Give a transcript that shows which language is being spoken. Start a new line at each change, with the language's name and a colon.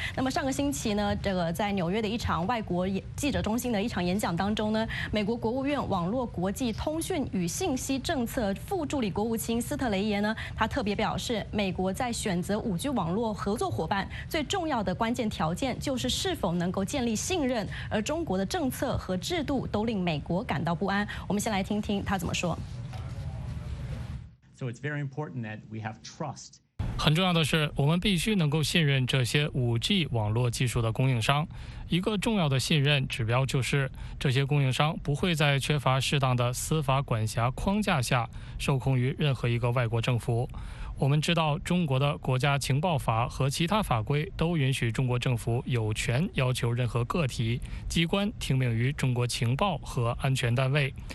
Chinese: 那么上个星期呢，这个在纽约的一场外国记者中心的一场演讲当中呢，美国国务院网络国际通讯与信息政策副助理国务卿斯特雷耶呢，他特别表示，美国在选择 5G 网络合作伙伴最重要的关键条件就是是否能够建立信任，而中国的政策和制度都令美国感到不安。我们先来听听他怎么说。
English: So it's very important that we have trust.
Chinese: 很重要的是我们必须能够信任这些 5G 网络技术的供应商。一个重要的信任指标就是这些供应商不会在缺乏适当的司法管辖框架下受控于任何一个外国政府。我们知道中国的国家情报法和其他法规都允许中国政府有权要求任何个体机关听命于中国情报和安全单位。